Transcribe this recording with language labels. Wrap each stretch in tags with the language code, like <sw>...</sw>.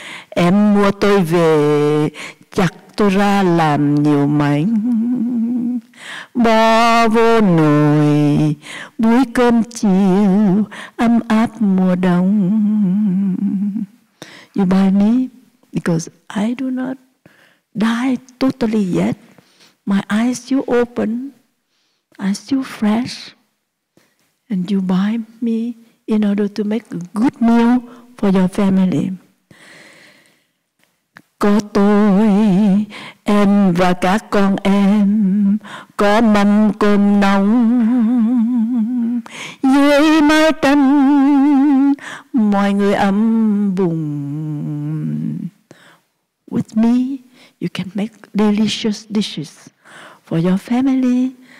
<vi>Em mua tôi về, chặt tôi ra làm nhiều mảnh. Bỏ vô nồi, búi cơm chiều, ấm áp mùa đông.</vi> <en>You buy me because I do not die totally yet. My eyes still open, I still fresh. And you buy me in order to make a good meal for your family.</en> <vi>Có tôi, em và các con em, có mâm cơm nóng dưới mái tranh, mọi người ấm bụng.</vi> <en>With me, you can make delicious dishes for your family.</en>